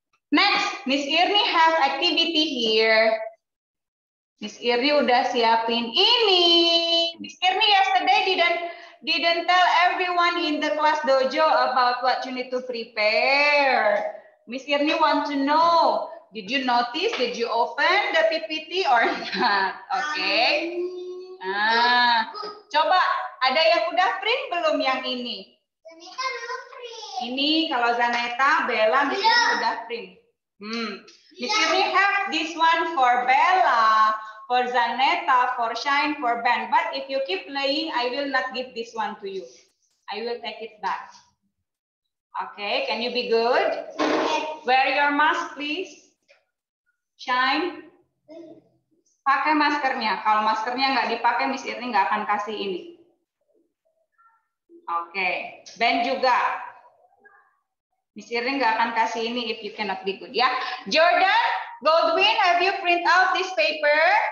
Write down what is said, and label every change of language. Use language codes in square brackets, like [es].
[en] Next, Miss Irin have activity here. Miss Irin [id] udah siapin ini. [en] Miss Irin yesterday didn't tell everyone in the class dojo about what you need to prepare. Miss Irni want to know, did you notice, did you open the PPT or not? Okay. [id] Ah, coba, ada yang udah print belum yang ini? Zaneta belum print. Ini kalau Zaneta, Bella, Miss Irni udah print. [en] Miss Irni have this one for Bella. For Zaneta, for Shine, for Ben. But if you keep playing, I will not give this one to you. I will take it back. Okay, can you be good? Yes. Wear your mask, please. Shine. [id] Pakai maskernya. Kalau maskernya nggak dipakai, Miss Irni nggak akan kasih ini. Okay. Ben juga. Miss Irni nggak akan kasih ini [en] if you cannot be good, [id] ya. [en] Jordan, Goldwyn, have you print out this paper?